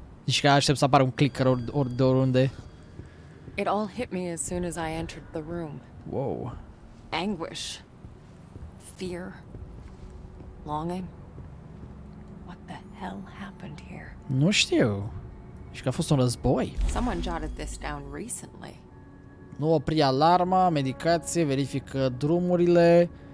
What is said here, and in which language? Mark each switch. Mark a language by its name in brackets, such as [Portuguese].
[Romanian] Nici că aștept să apară un clicker de oriunde. [English] It all hit me as soon as I entered the room. Whoa. Anguish. Fear. Longing. What the hell happened here? [Romanian] Nu știu. Nici că a fost un război. [English] Someone jotted this down recently. [Romanian] Nu opri alarma, medicație, verifică drumurile.